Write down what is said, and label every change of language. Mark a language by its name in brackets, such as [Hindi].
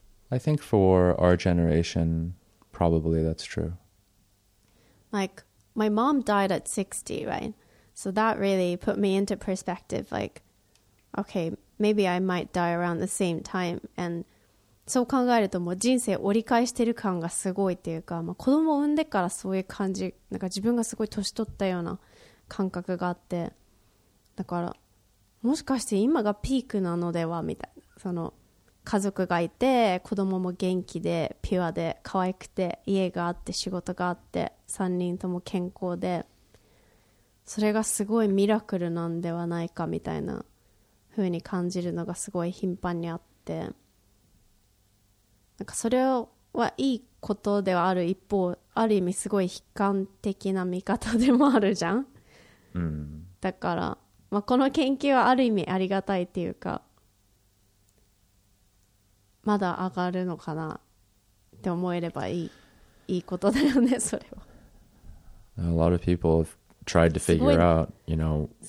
[English] I think for our generation, probably that's true. Like, my mom died at 60, right? So that really put me into perspective, like, okay, maybe I might die around the same time. And so [Japanese] 考えると、もう人生折り返してる感がすごいっていうか、まあ子供産んでからそういう感じ、なんか自分がすごい年取ったような感覚があって、だから、もしかして今がピークなのでは、みたいな、その、 家族がいて、子供も元気で、ピュアで可愛くて、家があって、仕事があって、3人とも健康で、それがすごいミラクルなんではないかみたいな風に感じるのがすごい頻繁にあって、なんかそれは、いいことではある一方、ある意味すごい悲観的な見方でもあるじゃん。だから、まあこの研究はある意味ありがたいっていうか、 まだ上がるのかなって思えればいいことだよね、それは。 [English] A lot of people have tried to figure out, you know,